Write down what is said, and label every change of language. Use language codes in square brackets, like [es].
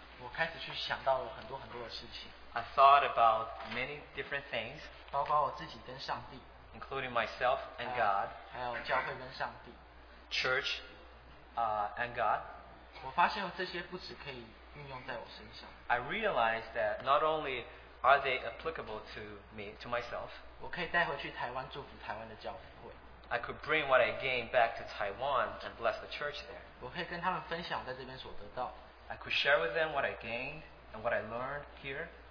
[zh] 我开始去想到了很多很多的事情。 [en] I thought about many different things. [zh] 包括我自己跟上帝, [en] including myself and God, [zh] 还有教会跟上帝, [en] church and God. [zh] 我发现这些不只可以运用在我身上, [en] I realized that not only are they applicable to me, to myself, [zh] 我可以带回去台湾祝福台湾的教会, [en] I could bring what I gained back to Taiwan and bless the church there. [zh] 我可以跟他们分享在这边所得到, [en] I could share with them what I gained and what I learned here.